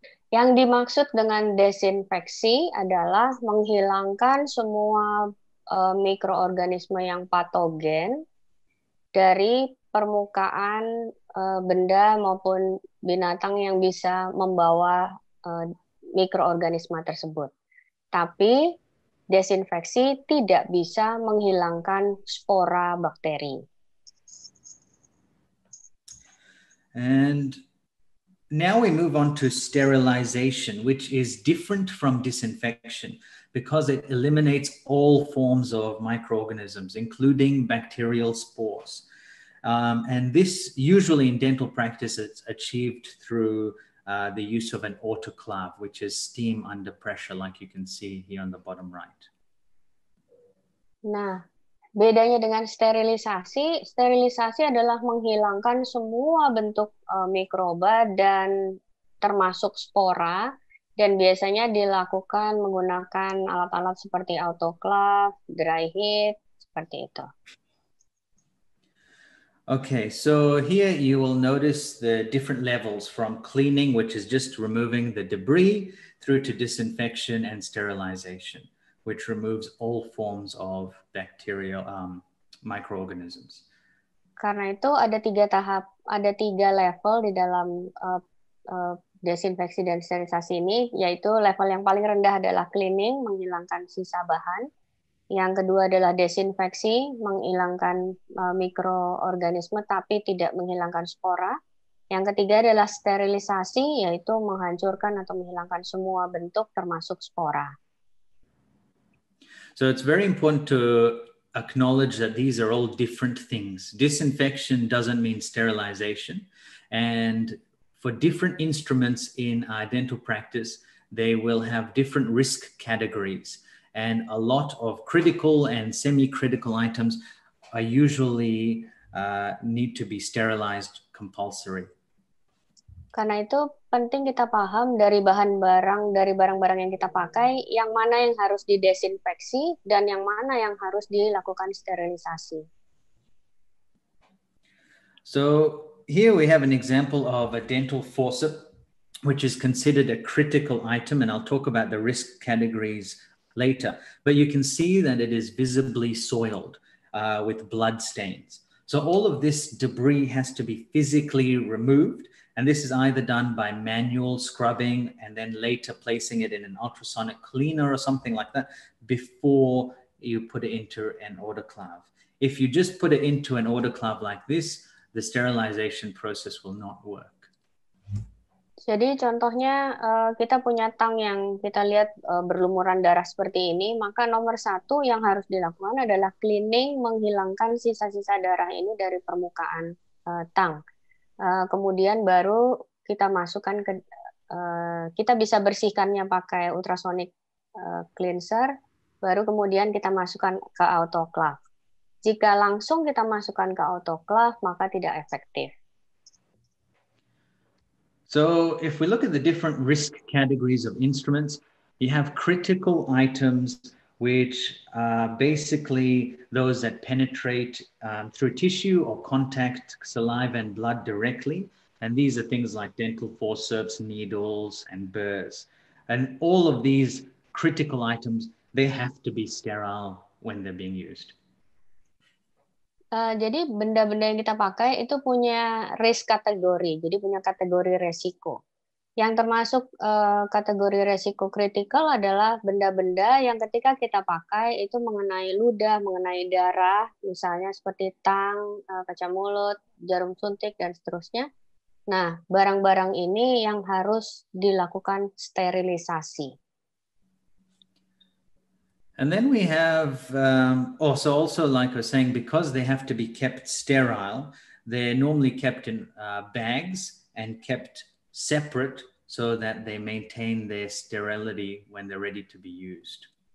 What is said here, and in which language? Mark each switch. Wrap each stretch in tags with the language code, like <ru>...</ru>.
<id>Yang dimaksud dengan desinfeksi adalah menghilangkan semua mikroorganisme yang patogen dari permukaan benda maupun binatang yang bisa membawa mikroorganisme tersebut. Tapi desinfeksi tidak bisa menghilangkan spora bakteri.</id> <en>And now we move on to sterilization, which is different from disinfection because it eliminates all forms of microorganisms, including bacterial spores. And this usually in dental practice is achieved through the use of an autoclave, which is steam under pressure, like you can see here on the bottom right.</en> <id>Nah, bedanya dengan sterilisasi, sterilisasi adalah menghilangkan semua bentuk mikroba dan termasuk spora, dan biasanya dilakukan menggunakan alat-alat seperti autoclave, dry heat, seperti itu.</id> <en>Okay, so here you will notice the different levels from cleaning, which is just removing the debris, through to disinfection and sterilization, which removes all forms of bacterial microorganisms.</en> <id>Karena itu ada tiga tahap, ada tiga level di dalam desinfeksi dan sterilisasi ini, yaitu level yang paling rendah adalah cleaning, menghilangkan sisa bahan. Yang kedua adalah desinfeksi, menghilangkan mikroorganisme tapi tidak menghilangkan spora. Yang ketiga adalah sterilisasi, yaitu menghancurkan atau menghilangkan semua bentuk termasuk spora.</id> <en>So it's very important to acknowledge that these are all different things. Disinfection doesn't mean sterilization, and for different instruments in our dental practice, they will have different risk categories. And a lot of critical and semi-critical items are usually need to be sterilized compulsory.</en> <id>Karena itu penting kita paham dari bahan barang, dari barang-barang yang kita pakai, yang mana yang harus didesinfeksi dan yang mana yang harus dilakukan sterilisasi.</id> <en>So here we have an example of a dental forceps, which is considered a critical item, and I'll talk about the risk categories later. But you can see that it is visibly soiled with blood stains. So all of this debris has to be physically removed. And this is either done by manual scrubbing and then later placing it in an ultrasonic cleaner or something like that before you put it into an autoclave. If you just put it into an autoclave like this, the sterilization process will not work.</en> <id>Jadi contohnya kita punya tang yang kita lihat berlumuran darah seperti ini, maka nomor satu yang harus dilakukan adalah cleaning, menghilangkan sisa-sisa darah ini dari permukaan tang. Kemudian baru kita masukkan ke kita bisa bersihkannya pakai ultrasonic cleanser, baru kemudian kita masukkan ke autoclave. Jika langsung kita masukkan ke autoclave, maka tidak efektif.</id> <en>So if we look at the different risk categories of instruments, you have critical items, which are basically those that penetrate through tissue or contact saliva and blood directly. And these are things like dental forceps, needles, and burrs. And all of these critical items, they have to be sterile when they're being used.</en> <id>Jadi benda-benda yang kita pakai itu punya risk kategori, jadi punya kategori resiko. Yang termasuk kategori risiko kritikal adalah benda-benda yang ketika kita pakai itu mengenai ludah, mengenai darah, misalnya seperti tang, kaca mulut, jarum suntik, dan seterusnya. Nah, barang-barang ini yang harus dilakukan sterilisasi.</id> <en>And then we have also like I was saying, because they have to be kept sterile, they're normally kept in bags and kept separate so that they maintain their sterility when they're ready to be used.</en>